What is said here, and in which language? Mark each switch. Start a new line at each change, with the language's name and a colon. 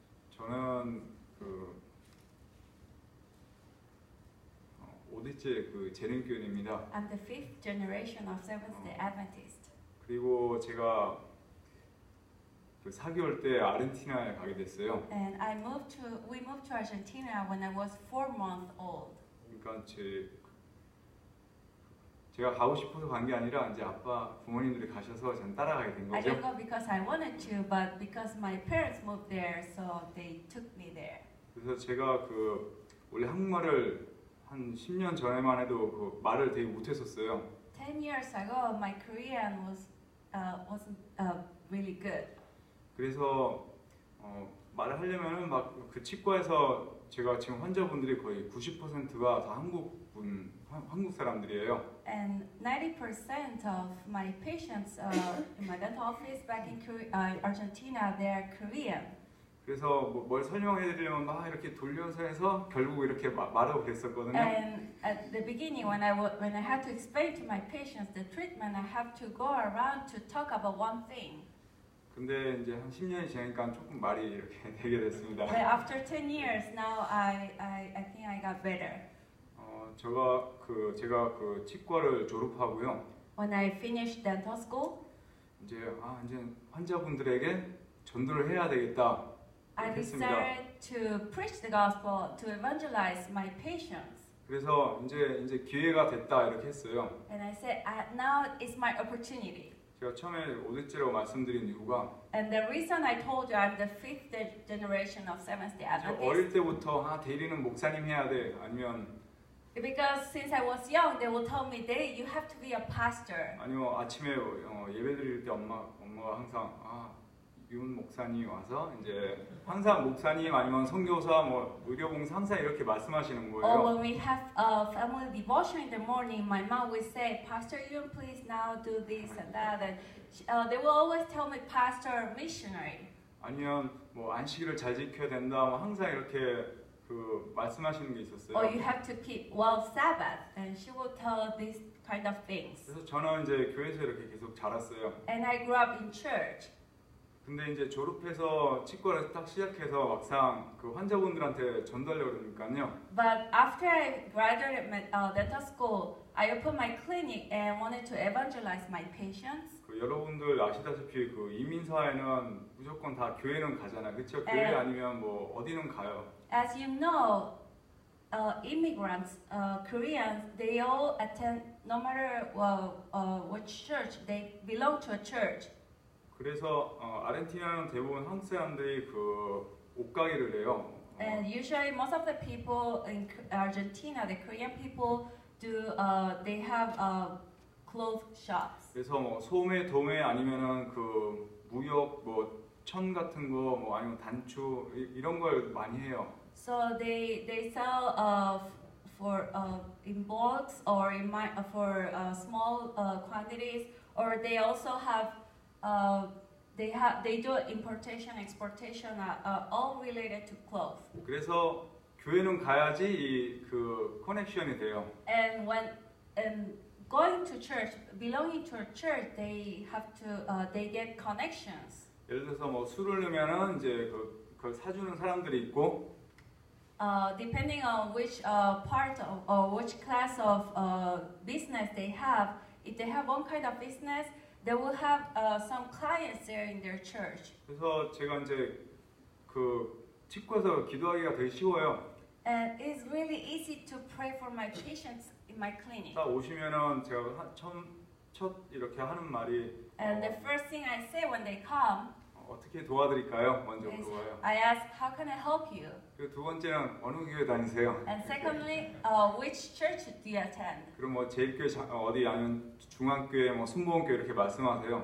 Korean: 저는 그 오대째 그 재림교인입니다.
English: I'm the fifth generation of Seventh Day Adventist.
Korean: 그리고 제가 그 4개월 때 아르헨티나에 가게 됐어요.
English: And I moved to we moved to Argentina when I was 4 months old.
Korean: 그러니까 제가 가고 싶어서 간 게 아니라 이제 아빠 부모님들이 가셔서 저는 따라가게 된 거죠.
English: I didn't go because I wanted to, but because my parents moved there, so they took me there.
Korean: 그래서 제가 그 원래 한국말을 한 10년 전에만 해도 그 말을 되게 못했었어요.
English: 10 years ago, my Korean wasn't really good.
Korean: 그래서 말을 하려면은 막 그 치과에서 제가 지금 환자분들이 거의 90%가 다 한국 사람들이에요.
English: And 90% of my patients in my dental office back in Argentina, they're Korean.
Korean: 그래서 뭘 설명해드리면 막 이렇게 돌려서 해서 결국 이렇게 말하고 그랬었거든요.
English: And at the beginning, when I had to explain to my patients the treatment, I have to go around to talk about one thing.
Korean: 근데 이제 한 10년이 지나니까 조금 말이 이렇게 되게 됐습니다.
English: But after 10 years, now I think I got better.
Korean: 제가 그 치과를 졸업하고요.
English: When I finished dental school,
Korean: 이제 환자분들에게 전도를 해야 되겠다.
English: I decided to preach the gospel to evangelize my patients.
Korean: 그래서 이제 기회가 됐다 이렇게 했어요.
English: And I said, now is my opportunity.
Korean: 제가 처음에 오대째라고 말씀드린 이유가
English: And the reason I told you I'm the fifth generation of Seventh Day Adventist.
Korean: 어릴 때부터 대리는 목사님 해야 돼 아니면
English: Because since I was young, they would tell me, "Dae, you have to be a pastor."
Korean: 아니면 아침에 예배 드릴 때 엄마가 항상 윤 목사님 와서 이제 항상 목사님 아니면 선교사 뭐 의료봉사 항상 이렇게 말씀하시는 거예요.
English: Or when we have a family devotion in the morning, my mom would say, "Pastor Yun, please now do this and that." And they will always tell me, "Pastor, missionary."
Korean: 아니면 뭐 안식일을 잘 지켜야 된다. 뭐 항상 이렇게. 그 말씀하시는 게 있었어요.
English: Or you have to keep well Sabbath, and she will tell these kind of things.
Korean: 그래서 저는 이제 교회에서 이렇게 계속 자랐어요.
English: And I grew up in church.
Korean: 근데 이제 졸업해서 치과를 딱 시작해서 막상 그 환자분들한테 전달하려고 그러니까요.
English: But after I graduated dental school, I opened my clinic and wanted to evangelize my patients.
Korean: 여러분들 아시다시피 그 이민사회는 무조건 다 교회는 가잖아, 그렇죠? 교회 아니면 뭐 어디는 가요.
English: As you know, immigrants, Koreans, they all attend no matter what church they belong to a church.
Korean: 그래서 아르헨티나는 대부분 한국 사람들이 그 옷가게를 해요.
English: And usually, most of the people in Argentina, the Korean people, do they have a clothes shops.
Korean: 그래서 뭐 소매, 도매 아니면은 그 무역 뭐 천 같은 거 뭐 아니면 단추 이런 걸 많이 해요.
English: So they sell for in bulks or in my for small quantities or they also have they do importation exportation all related to clothes.
Korean: 그래서 교회는 가야지 이 그 커넥션이 돼요.
English: And when going to church, belonging to a church, they have to, they get connections.
Korean: 예를 들어서 뭐 술을 넣으면은 이제 그걸 사주는 사람들이 있고.
English: Depending on which part of or which class of business they have, if they have one kind of business, they will have some clients there in their church.
Korean: 그래서 제가 이제 그 치과에서 기도하기가 되게 쉬워요.
English: And it's really easy to pray for my patients in my clinic.
Korean: 딱 오시면은 제가 첫 이렇게 하는 말이
English: And the first thing I say when they come
Korean: 어떻게 도와드릴까요? 먼저 물어봐요.
English: I ask, how can I help you?
Korean: 그리고 두 번째는 어느 교회 다니세요?
English: And secondly, which church do you attend?
Korean: 그럼 뭐 제일교회 어디 아니면 중앙교회, 뭐 순복음교회 이렇게 말씀하세요.